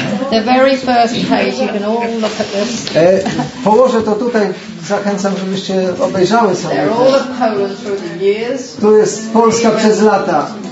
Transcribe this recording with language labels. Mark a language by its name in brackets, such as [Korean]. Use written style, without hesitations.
[English] The very first page, you can all look at this. [Polish] Położę to tutaj, zachęcam, żebyście obejrzały sobie. [English] They're all of Poland through the years. [Polish] Tu jest Polska przez lata.